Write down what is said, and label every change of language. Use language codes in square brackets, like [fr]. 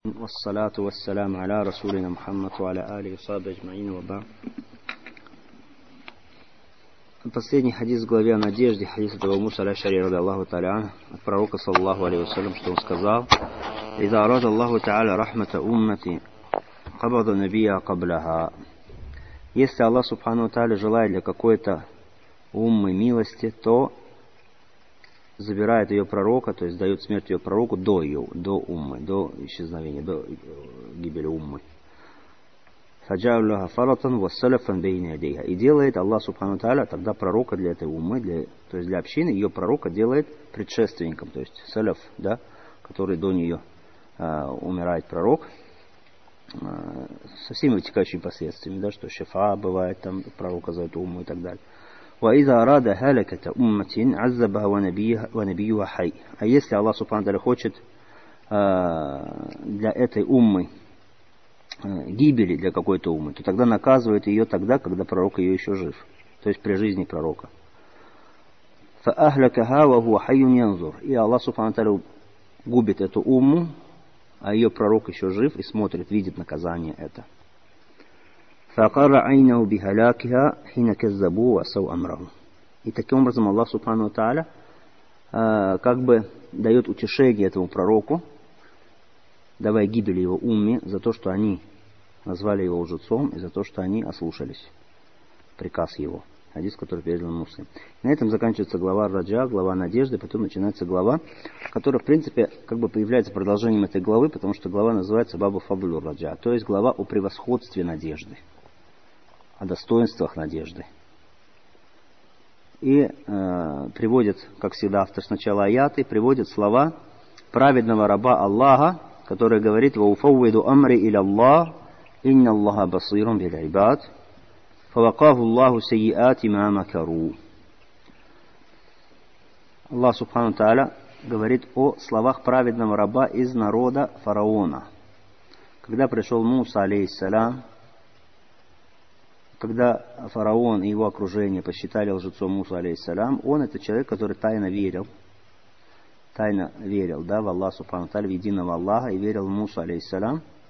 [ar] والصلاة والسلام على رسولنا محمد وعلى آله وصحبه أجمعين وبعد. [ru] Последний хадис в главе о надежде, хадис от Абу Муса аль-Ашъари رضي الله تعالى عنه, от пророка صلى الله عليه وسلم, что он сказал: [ar] إذا أراد الله تعالى رحمة أمتي قبض نبيا قبلها. [ru] Если Аллах Субхану Тааля желает для какой-то уммы милости, то забирает ее пророка, то есть дает смерть ее пророку до ее, до уммы, до исчезновения, до гибели уммы. [ar] Фаджаллаха фаратан вассалафан бейни адейха. [ru] И делает Аллах Субхану Тааля тогда пророка для этой уммы, для, то есть для общины, ее пророка делает предшественником, то есть салаф, да, который до нее умирает пророк. Со всеми вытекающими последствиями, да, что шефа бывает там пророка за эту умму и так далее. [ar] وإذا أراد هلكة أمة عذبها ونبيها حي. [ru] А если Аллах Субхану Тааля хочет для этой уммы гибели для какой-то уммы, то тогда наказывает ее тогда, когда пророк ее еще жив, то есть при жизни пророка. [ar] فأهلكها وهو حي ينظر. [ru] И Аллах Субхану Тааля губит эту умму, а ее пророк еще жив и смотрит, видит наказание это. [ar] فقر عينه بهلاكها حين كذبوا وسوء امره. [ru] И таким образом Аллах Субхану ва Тааля как бы дает утешение этому пророку, давая гибель его умме за то, что они назвали его лжецом и за то, что они ослушались приказ его. Хадис, который передал Муслим. На этом заканчивается глава Раджа, глава надежды, потом начинается глава, которая, в принципе, как бы появляется продолжением этой главы, потому что глава называется Бабу Фаблю Раджа, то есть глава о превосходстве надежды, о достоинствах надежды. И приводит, как всегда, автор сначала аяты, приводит слова праведного раба Аллаха, который говорит: [ar] «Ва уфавиду амри иля Аллах, инна Аллаха басирум биль ибад». فوقاه الله سيئات ما مكروا. [ru] Аллах Субхану Тааля говорит о словах праведного раба из народа фараона. Когда пришел Муса, алейхиссалям, когда фараон и его окружение посчитали лжецом Муса, алейхиссалям, он это человек, который тайно верил, да, в Аллах Субхану Тааля, в единого Аллаха, и верил в Муса, алейхиссалям.